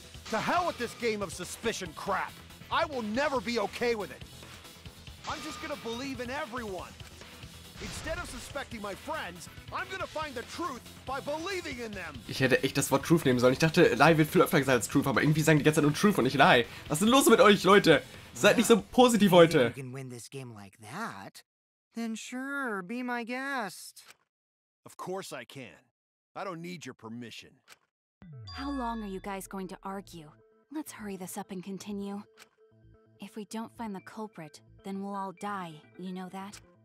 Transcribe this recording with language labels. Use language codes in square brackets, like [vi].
[en] To hell with this game of suspicion crap. I will never be okay with it. I'm just gonna believe in everyone. Instead of suspecting my friends, I'm gonna find the truth by believing in them. [de] Ich hätte echt das Wort Truth nehmen sollen. Ich dachte, lie wird viel öfter gesagt als Truth, aber irgendwie sagen die ganze Zeit nur Truth und ich lie. Was ist denn los mit euch, Leute? Seid nicht so positiv heute. [en] If you can win this game like that, then sure, be my guest. Of course I can. I don't need your permission. How long are you guys going to argue? Let's hurry this up and continue. If we don't find the culprit, then we'll all die, you know that?